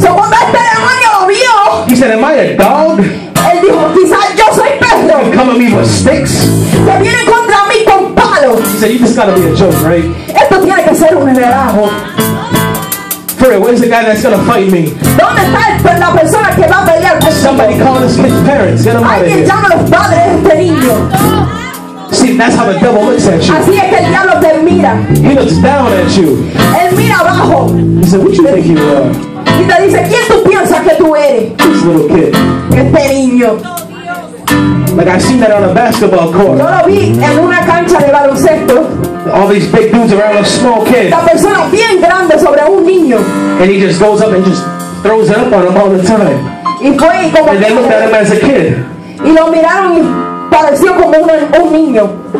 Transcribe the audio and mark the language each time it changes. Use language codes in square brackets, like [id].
[es] so cuando este demonio lo vio, [en] he said, am I a dog? [es] Él dijo, quizás yo soy perro. [en] Come at me with sticks. [es] Que viene contra mí con palos. [en] Wednesday, you just gotta be a joke, right? [es] Esto tiene que ser un relajo. [en] Where is the guy that's gonna fight me? [es] ¿Dónde está la persona que va a pelear conmigo? [en] Somebody call his kid's parents. Get him out of here. [es] Alguien llama a los padres de este niño. [en] See, that's how the devil looks at you. [es] Así es que el diablo te mira. [en] He looks down at you. [es] Él mira abajo. [en] He said, "What you think you are?" [es] Y te dice, ¿quién tú piensas que tú eres? [en] This little kid. [es] Este niño. [en] Like I seen that on a basketball court. [es] Yo lo vi en una cancha de baloncesto. [en] All these big dudes around a small kid. [es] La persona bien grande sobre un niño. [en] And he just goes up and just throws it up on him all the time. [es] Y fue como [en] and they looked at him as a kid. [es] Y lo miraron y pareció como un niño.